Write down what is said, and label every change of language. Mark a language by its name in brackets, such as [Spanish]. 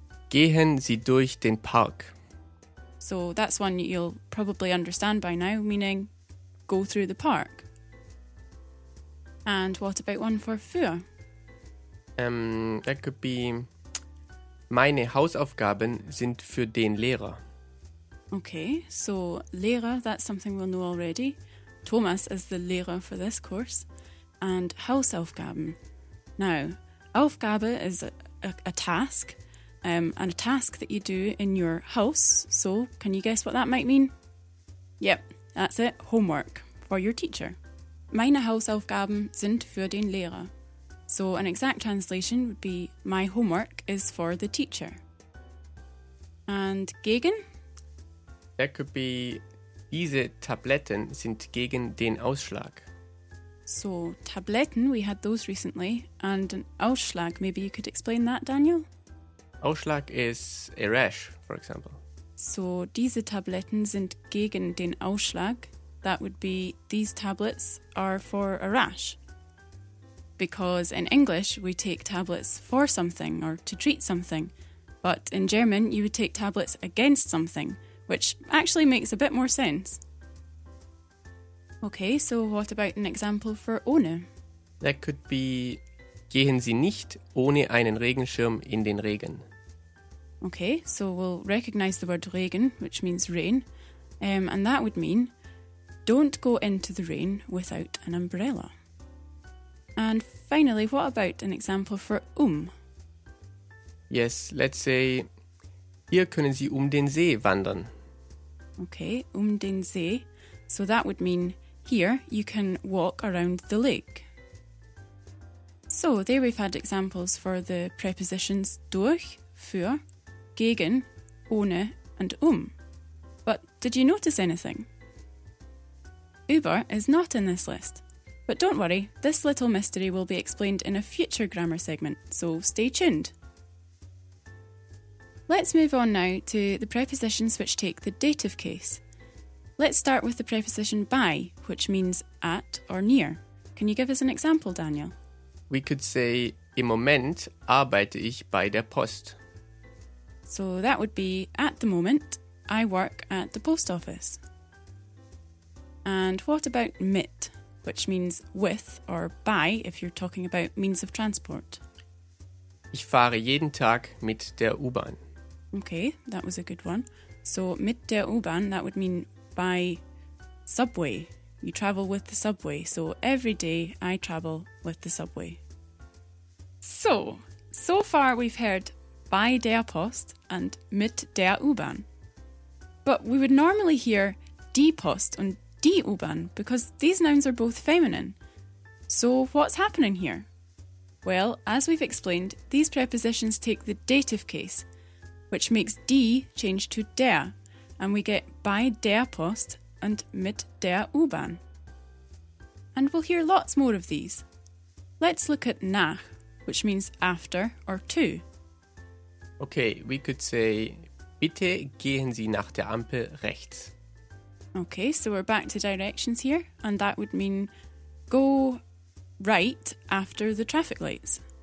[German] Gehen Sie durch den Park. [English] So that's one you'll probably understand by now, meaning go through the park. And what about one for für? That could be, [German] meine Hausaufgaben sind für den Lehrer. [English] Okay, so Lehrer, that's something we'll know already. Thomas is the Lehrer for this course. And Hausaufgaben. Now, Aufgabe is a task, and a task that you do in your house. So can you guess what that might mean? Yep, that's it. Homework for your teacher. [German] Meine Hausaufgaben sind für den Lehrer. [English] So an exact translation would be, my homework is for the teacher. And gegen? That could be, [German] diese Tabletten sind gegen den Ausschlag. [English] So, Tabletten, we had those recently. And an Ausschlag, maybe you could explain that, Daniel? Ausschlag is a rash, for example. [German] So, diese Tabletten sind gegen den Ausschlag. [English] That would be, these tablets are for a rash. Because in English, we take tablets for something or to treat something. But in German, you would take tablets against something, which actually makes a bit more sense. Okay, so what about an example for ohne? That could be, [German] gehen Sie nicht ohne einen Regenschirm in den Regen. [English] Okay, so we'll recognize the word Regen, which means rain. And that would mean, don't go into the rain without an umbrella. And finally, what about an example for Yes, let's say, [German] hier können Sie den See wandern. Okay, den See. [English] So that would mean, here you can walk around the lake. So there we've had examples for the prepositions durch, für, gegen, ohne and But did you notice anything? Über is not in this list. But don't worry, this little mystery will be explained in a future grammar segment, so stay tuned. Let's move on now to the prepositions which take the dative case. Let's start with the preposition by, which means at or near. Can you give us an example, Daniel? We could say, [German] im Moment arbeite ich bei der Post. [English] So that would be, at the moment, I work at the post office. And what about mit, which means with or by, if you're talking about means of transport? [German] Ich fahre jeden Tag mit der U-Bahn. [English] Okay, that was a good one. So, [German] mit der U-Bahn, [English] that would mean by subway. You travel with the subway. So, every day I travel with the subway. So far we've heard [German] bei der Post [English] and [German] mit der U-Bahn. [English] But we would normally hear [German] die Post und die U-Bahn [English] because these nouns are both feminine. So, what's happening here? Well, as we've explained, these prepositions take the dative case, which makes die change to der, and we get [German] bei der Post [English] and [German] mit der U-Bahn. [English] And we'll hear lots more of these. Let's look at nach, which means after or to. Okay, we could say, [German] bitte gehen Sie nach der Ampel rechts. [English] Okay, so we're back to directions here, and that would mean go right after the traffic lights.